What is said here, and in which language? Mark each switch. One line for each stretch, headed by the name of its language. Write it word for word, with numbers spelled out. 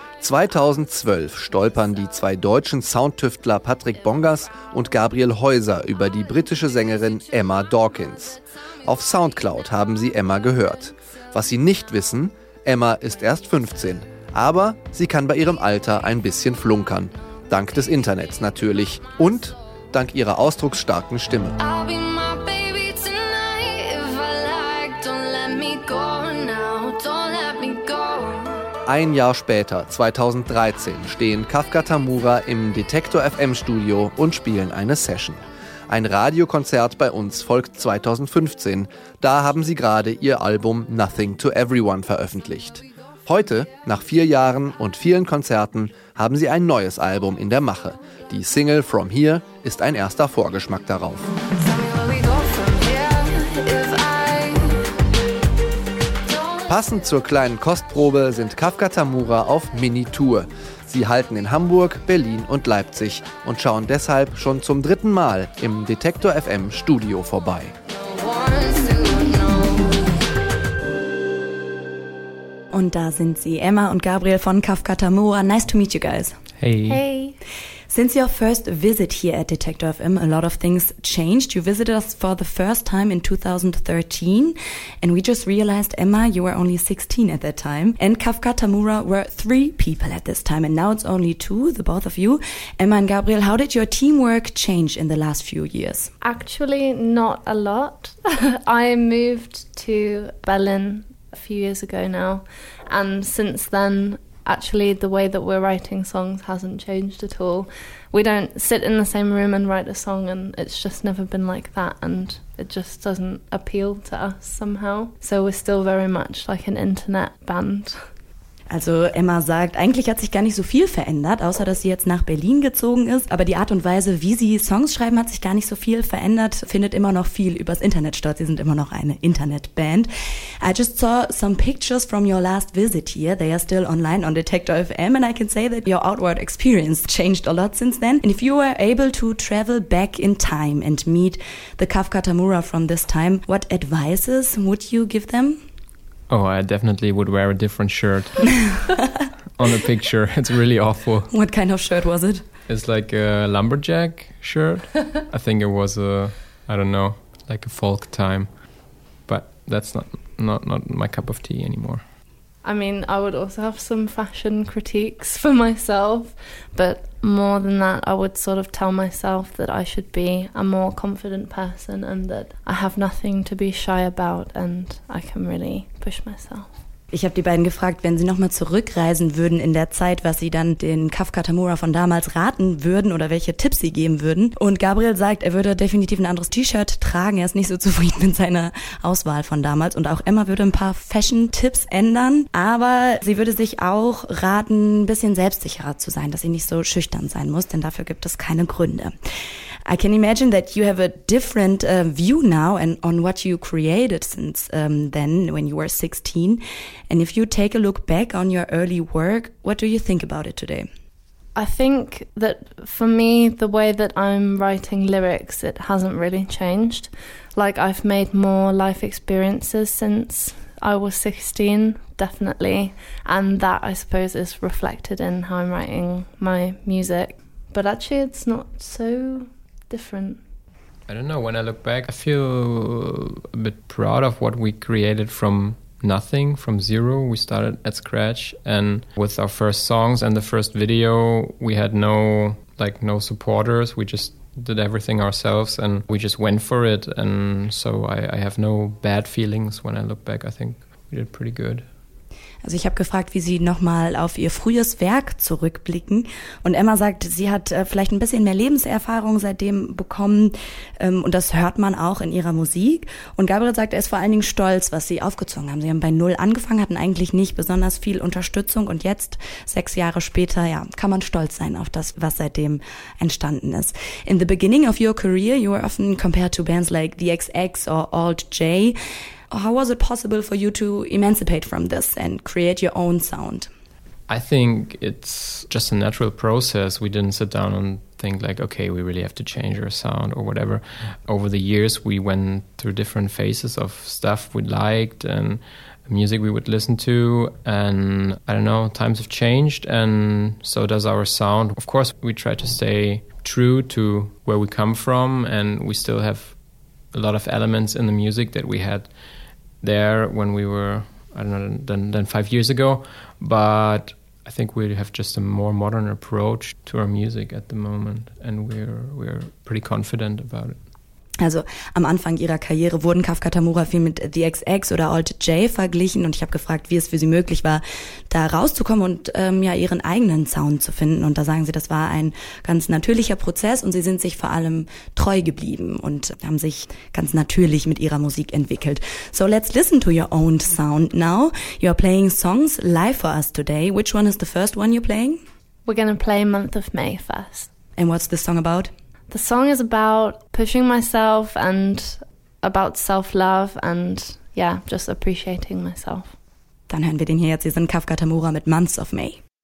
German: zweitausendzwölf stolpern die zwei deutschen Soundtüftler Patrick Bongers und Gabriel Heuser über die britische Sängerin Emma Dawkins. Auf Soundcloud haben sie Emma gehört. Was sie nicht wissen, Emma ist erst fünfzehn, aber sie kann bei ihrem Alter ein bisschen flunkern. Dank des Internets natürlich und dank ihrer ausdrucksstarken Stimme.
English: I'll be my baby tonight if I like. Don't let me go now, don't let me go.
German: Ein Jahr später, zweitausenddreizehn, stehen Kafka Tamura im Detektor F M Studio und spielen eine Session. Ein Radiokonzert bei uns folgt zweitausendfünfzehn. Da haben sie gerade ihr Album Nothing to Everyone veröffentlicht. Heute, nach vier Jahren und vielen Konzerten, haben sie ein neues Album in der Mache. Die Single From Here ist ein erster Vorgeschmack darauf.
English: Tell me where we go from here if I.
German: Passend zur kleinen Kostprobe sind Kafka Tamura auf Mini-Tour. Sie halten in Hamburg, Berlin und Leipzig und schauen deshalb schon zum dritten Mal im Detektor F M Studio vorbei. Und da sind sie, Emma und Gabriel von Kafka Tamura.
English: Nice to meet you guys. Hey. Hey. Since your first visit here at Detector F M, a lot of things changed. You visited us for the first time in two thousand thirteen, and we just realized, Emma, you were only sixteen at that time, and Kafka Tamura were three people at this time, and now it's only two, the both of you. Emma and Gabriel, how did your teamwork change in the last few years? Actually, not a lot. I moved to Berlin a few years ago now, and since then, actually, the way that we're writing songs hasn't changed at all. We don't sit in the same room and write a song, and it's just never been like that, and it just doesn't appeal to us somehow. So we're still very much like an internet band.
German: Also Emma sagt, eigentlich hat sich gar nicht so viel verändert, außer dass sie jetzt nach Berlin gezogen ist. Aber die Art und Weise, wie sie Songs schreiben, hat sich gar nicht so viel verändert, findet immer noch viel übers Internet statt. Sie sind immer noch eine Internetband.
English: I just saw some pictures from your last visit here. They are still online on Detektor F M, and I can say that your outward experience changed a lot since then. And if you were able to travel back in time and meet the Kafka Tamura from this time, what advices would you give them? Oh, I definitely would wear a different shirt on the picture. It's really awful. What kind of shirt was it? It's like a lumberjack shirt. I think it was a, I don't know, like a folk time. But that's not, not, not my cup of tea anymore. I mean, I would also have some fashion critiques for myself, but more than that, I would sort of tell myself that I should be a more confident person and that I have nothing to be shy about and I can really push myself.
German: Ich habe die beiden gefragt, wenn sie nochmal zurückreisen würden in der Zeit, was sie dann den Kafka Tamura von damals raten würden oder welche Tipps sie geben würden. Und Gabriel sagt, er würde definitiv ein anderes T-Shirt tragen. Er ist nicht so zufrieden mit seiner Auswahl von damals. Und auch Emma würde ein paar Fashion-Tipps ändern. Aber sie würde sich auch raten, ein bisschen selbstsicherer zu sein, dass sie nicht so schüchtern sein muss, denn dafür gibt es keine Gründe.
English: I can imagine that you have a different uh, view now and on what you created since um, then when you were sixteen. And if you take a look back on your early work, what do you think about it today? I think that for me, the way that I'm writing lyrics, it hasn't really changed. Like I've made more life experiences since I was sixteen, definitely. And that, I suppose, is reflected in how I'm writing my music. But actually, it's not so different. I don't know. When I look back, I feel a bit proud of what we created from nothing, from zero. We started at scratch, and with our first songs and the first video, we had no like no supporters. We just did everything ourselves, and we just went for it. And so I, I have no bad feelings when I look back. I think we did pretty good.
German: Also ich habe gefragt, wie sie nochmal auf ihr frühes Werk zurückblicken. Und Emma sagt, sie hat äh, vielleicht ein bisschen mehr Lebenserfahrung seitdem bekommen. Ähm, und das hört man auch in ihrer Musik. Und Gabriel sagt, er ist vor allen Dingen stolz, was sie aufgezogen haben. Sie haben bei Null angefangen, hatten eigentlich nicht besonders viel Unterstützung. Und jetzt, sechs Jahre später, ja, kann man stolz sein auf das, was seitdem entstanden ist.
English: In the beginning of your career, you were often compared to bands like The X X or Alt J. How was it possible for you to emancipate from this and create your own sound? I think it's just a natural process. We didn't sit down and think like, okay, we really have to change our sound or whatever. Over the years, we went through different phases of stuff we liked and music we would listen to, and I don't know, times have changed and so does our sound. Of course, we try to stay true to where we come from, and we still have a lot of elements in the music that we had there when we were, I don't know, than, than five years ago, but I think we have just a more modern approach to our music at the moment, and we're we're pretty confident about it.
German: Also am Anfang ihrer Karriere wurden Kafka Tamura viel mit The X X oder Alt J verglichen, und ich habe gefragt, wie es für sie möglich war, da rauszukommen und ähm, ja ihren eigenen Sound zu finden, und da sagen sie, das war ein ganz natürlicher Prozess und sie sind sich vor allem treu geblieben und haben sich ganz natürlich mit ihrer Musik entwickelt.
English: So let's listen to your own sound now. You are playing songs live for us today. Which one is the first one you're playing? We're gonna play Month of May first. And what's this song about? The song is about pushing myself and about self-love and, yeah, just appreciating myself.
German: Dann hören wir den hier jetzt. Sie sind Kafka Tamura mit Months of May.